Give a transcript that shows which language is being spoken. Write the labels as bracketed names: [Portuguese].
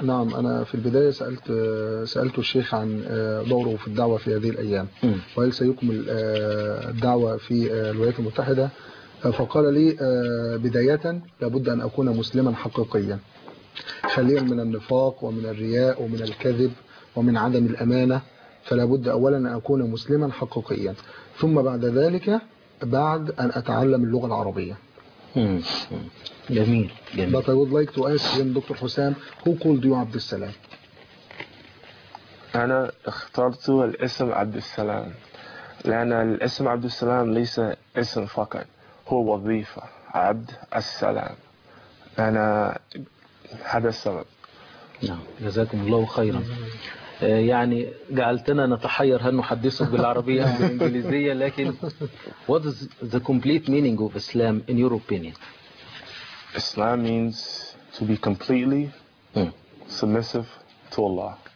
[Arabic] نعم، أنا في البداية سألت الشيخ عن دوره في الدعوة في هذه الأيام، وهل سيكمل الدعوة في الولايات المتحدة؟ فقال لي بداية لابد أن أكون مسلما حقيقيا، خاليا من النفاق ومن الرياء ومن الكذب ومن عدم الأمانة. فلابد أولا أن أكون مسلما حقيقيا، ثم بعد ذلك بعد أن أتعلم اللغة العربية. جميل. [English] But I would like to ask him, Dr. Hussam, who called you عبد السلام؟ [Arabic] أنا اخترت الاسم عبد السلام لأن الاسم عبد السلام ليس اسم فقط، هو وظيفة. عبد السلام، أنا هذا السبب. نعم، جزاكم الله خيرا. يعني جعلتنا نتحير هل نحدثك بالعربية أو بالإنجليزية، لكن [English] what is the complete meaning of Islam in your opinion؟ Islam means to be completely submissive to Allah.